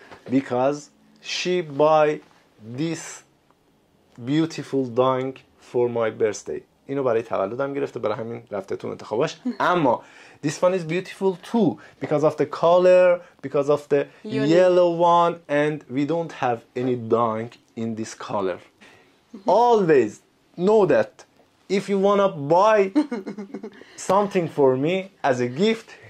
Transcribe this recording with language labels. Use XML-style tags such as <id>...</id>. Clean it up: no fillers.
<en>Because she buy this beautiful dunk for my birthday.</en> <fa>اینو برای تولدم گرفته، برای همین رفته تو انتخابش.</fa> <en>اما this one is beautiful too because of the color, because of the yellow one, and we don't have any dunk in this color. Always know that if you wanna buy something for me as a gift,</en>